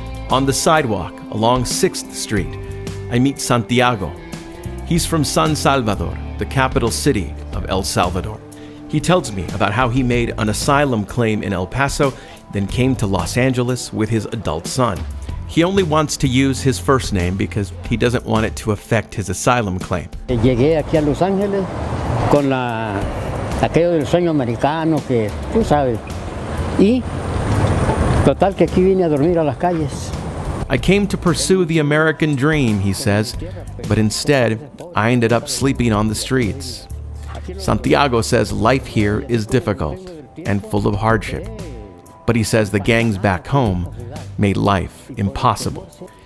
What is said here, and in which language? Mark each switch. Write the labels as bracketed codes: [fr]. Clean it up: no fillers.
[en] On the sidewalk along 6th Street, I meet Santiago. He's from San Salvador, the capital city of El Salvador. He tells me about how he made an asylum claim in El Paso, then came to Los Angeles with his adult son. He only wants to use his first name because he doesn't want it to affect his asylum claim. [es] Llegué aquí a Los Ángeles con la aquello del sueño americano que tú sabes. Y total que aquí vine a dormir a las calles. [en] I came to pursue the American dream, he says, but instead I ended up sleeping on the streets. Santiago says life here is difficult and full of hardship. But he says the gangs back home made life impossible.